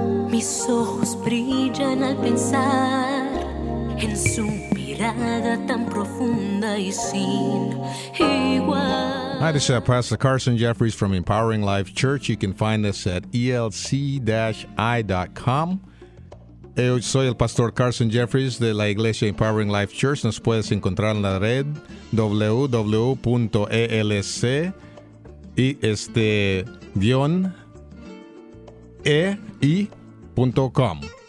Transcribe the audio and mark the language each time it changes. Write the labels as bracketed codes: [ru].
[es] Mis ojos brillan al pensar en su mirada tan profunda y sin igual. [en] Hi, this is Pastor Carson Jeffries from Empowering Life Church. You can find us at elc-i.com. [es] Yo soy el Pastor Carson Jeffries de la Iglesia Empowering Life Church. Nos puedes encontrar en la red www.elc-i.com.